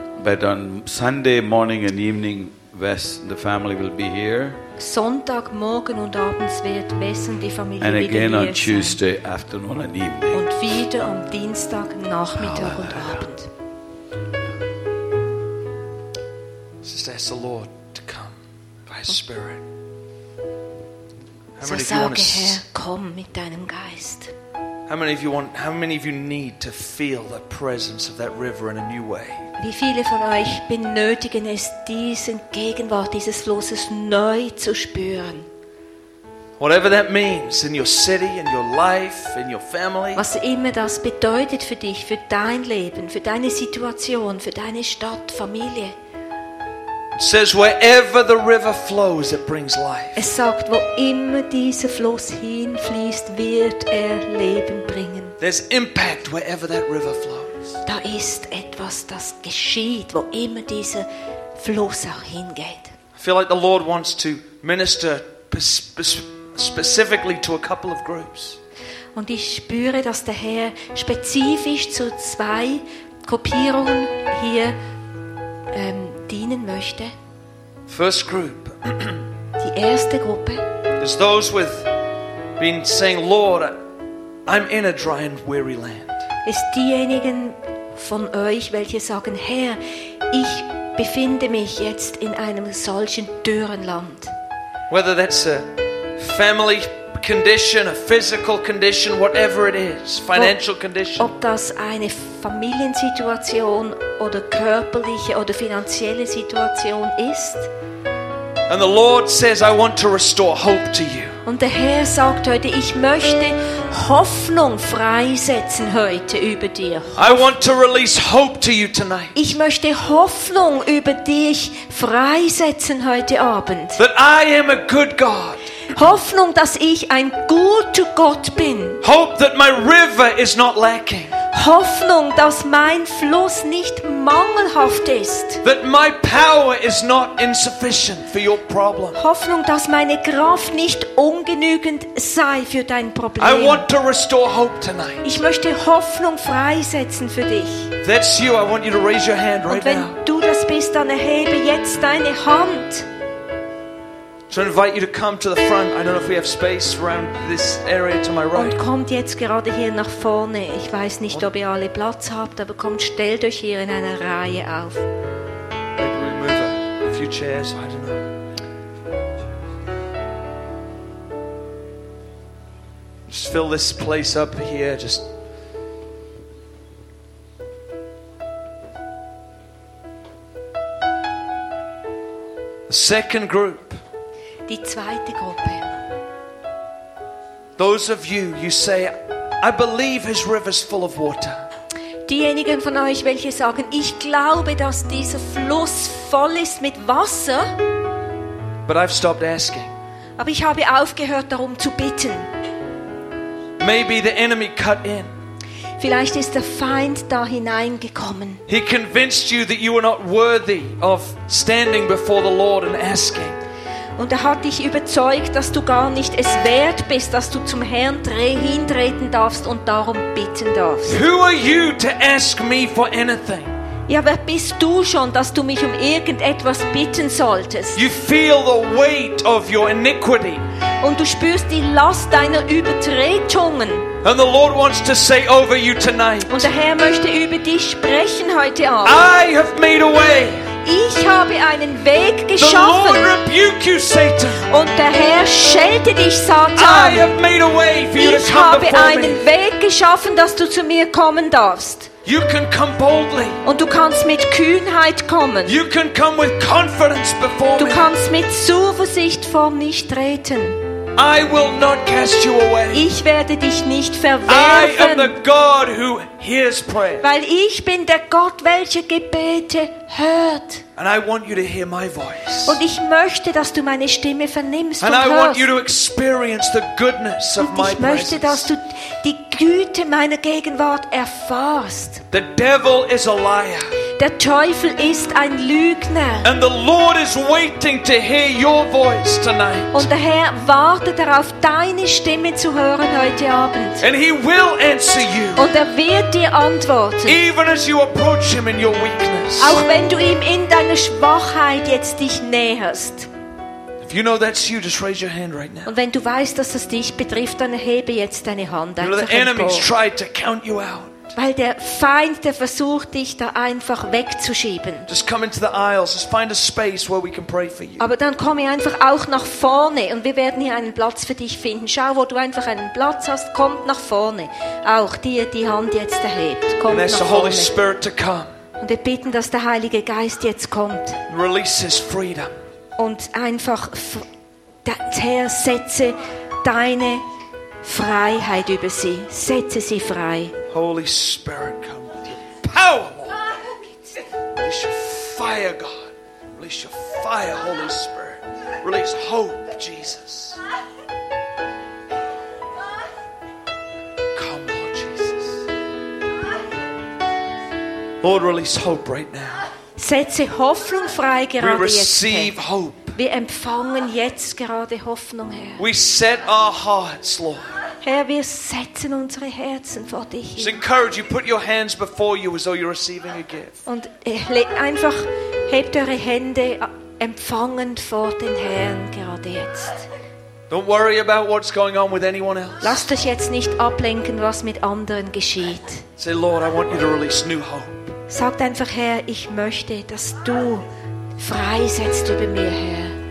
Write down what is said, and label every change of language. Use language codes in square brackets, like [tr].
[en] But on Sunday morning and evening, Wes, the family will be here. [de] Sonntag morgen und abends wird Wes und die Familie [en] and again [de] wieder hier [en] on Tuesday [de] sein. [en] Afternoon and evening. [de] Und wieder am Dienstag Nachmittag und Abend. [en] Just ask the Lord to come by His Spirit. How many of you want to come with [de] deinem Geist? [en] How many of you need to feel the presence of that river in a new way? [de] Wie viele von euch benötigen es, diesen Gegenwart dieses Flusses neu zu spüren? [en] Whatever that means in your city, in your life, in your family. [de] Was immer das bedeutet für dich, für dein Leben, für deine Situation, für deine Stadt, Familie. [en] It says wherever the river flows, it brings life. [de] Es sagt, wo immer dieser Fluss hinfließt, wird Leben bringen. [en] There's impact wherever that river flows. [de] Da ist etwas, das geschieht, wo immer dieser Fluss auch hingeht. [en] I feel like the Lord wants to minister specifically to a couple of groups. [de] Und ich spüre, dass der Herr spezifisch zu zwei Gruppierungen hier dienen möchte. [en] First group. [de] Die erste Gruppe. [en] Is those with been saying, Lord, I'm in a dry and weary land. [de] Ist diejenigen von euch, welche sagen, Herr, ich befinde mich jetzt in einem solchen dürren Land. [en] Whether that's a family condition, a physical condition, whatever it is, financial condition. [de] Ob das eine Familiensituation oder körperliche oder finanzielle Situation ist. [en] And the Lord says, I want to restore hope to you. [de] Und der Herr sagt heute, ich möchte Hoffnung freisetzen heute über dir. [en] I want to release hope to you tonight. [de] Ich möchte Hoffnung über dich freisetzen heute Abend. [en] That I am a good God. [de] Hoffnung, dass ich ein guter Gott bin. [en] Hope that my river is not lacking. [de] Hoffnung, dass mein Fluss nicht mangelhaft ist. [en] That my power is not insufficient for your problem. [de] Hoffnung, dass meine Kraft nicht ungenügend sei für dein Problem. [en] I want to restore hope tonight. [de] Ich möchte Hoffnung freisetzen für dich. [en] That's you. I want you to raise your hand right [de] Und wenn du das bist, dann erhebe jetzt deine Hand. [en] So I invite you to come to the front. I don't know if we have space around this area to my right. [de] Und kommt jetzt gerade hier nach vorne. Ich weiß nicht, ob ihr alle Platz habt, aber kommt, stellt euch hier in einer Reihe auf. [en] Maybe we move a few chairs. I don't know. Just fill this place up here. Just the second group. [de] Die zweite Gruppe. [en] Those of you, you say, I believe his river is full of water. [de] Diejenigen von euch, welche sagen, ich glaube, dass dieser Fluss voll ist mit Wasser. [en] But I've stopped asking. [de] Aber ich habe aufgehört, darum zu bitten. [en] Maybe the enemy cut in. [de] Vielleicht ist der Feind da hineingekommen. [en] He convinced you that you were not worthy of standing before the Lord and asking. [de] Und hat dich überzeugt, dass du gar nicht es wert bist, dass du zum Herrn hintreten darfst und darum bitten darfst. [en] Who are you to ask me for anything? [de] Ja, wer bist du schon, dass du mich um irgendetwas bitten solltest? [en] You feel the weight of your iniquity. [de] Und du spürst die Last deiner Übertretungen. [en] And the Lord wants to say over you tonight. [de] Und der Herr möchte über dich sprechen heute Abend. [en] I have made a way. [de] Ich habe einen Weg geschaffen. [en] The Lord rebuke you, Satan. [de] Und der Herr schelte dich, Satan. [en] I have made a way for you to come before me. [de] Ich habe einen Weg geschaffen, dass du zu mir kommen darfst. [en] You can come boldly. [de] Und du kannst mit Kühnheit kommen. [en] You can come with confidence before me. [de] Du kannst mit Zuversicht vor mich treten. [en] I will not cast you away. [de] Ich werde dich nicht verwerfen. [en] I am the God who hears prayer. [de] Weil ich bin der Gott, welcher Gebete hört. [en] And I want you to hear my voice. [de] Und ich möchte, dass du meine Stimme vernimmst und hörst. [en] And I want you to experience the goodness of my presence. [de] Ich möchte, dass du die Güte meiner Gegenwart erfährst. [en] The devil is a liar. [de] Der Teufel ist ein Lügner. [en] And the Lord is waiting to hear your voice tonight. [de] Und der Herr wartet darauf, deine Stimme zu hören heute Abend. [en] And he will answer you. [de] Und wird dir antworten. [en] Even as you approach him in your weakness. [de] Auch wenn du ihm in deiner Schwachheit jetzt dich näherst. [en] You know that's you, just raise your hand right now. [de] Und wenn du weißt, dass das dich betrifft, dann erhebe jetzt deine Hand. [en] You know, the enemy's tried to count you out. [de] Weil der Feind, der versucht, dich da einfach wegzuschieben. [en] Just come into the aisles, just find a space where we can pray for you. [de] Aber dann komm einfach auch nach vorne und wir werden hier einen Platz für dich finden. Schau, wo du einfach einen Platz hast, komm nach vorne. Auch dir die Hand jetzt erhebt. Komm nach vorne. [en] The Holy Spirit to come. [de] Und wir bitten, dass der Heilige Geist jetzt kommt. [en] Release his freedom. [de] Und einfach, Herr, setze deine Freiheit über sie. Setze sie frei. [en] Holy Spirit, come with your power, Lord. Release your fire, God. Release your fire, Holy Spirit. Release hope, Jesus. Come, Lord Jesus. Lord, release hope right now. [de] Setze Hoffnung frei gerade jetzt. [en] We receive hope. [de] Wir empfangen jetzt gerade Hoffnung, Herr. [en] We set our hearts, Lord. [de] Herr, wir setzen unsere Herzen vor dich hin. [en] Just encourage you, put your hands before you as though you're receiving a gift. [de] Und einfach hebt eure Hände empfangend vor den Herrn gerade jetzt. [en] Don't worry about what's going on with anyone else. [de] Lasst euch jetzt nicht ablenken, was mit anderen geschieht. [en] Say, Lord, I want you to release new hope. [de] Sagt einfach, Herr, ich möchte, dass du freisetzt über mir, Herr.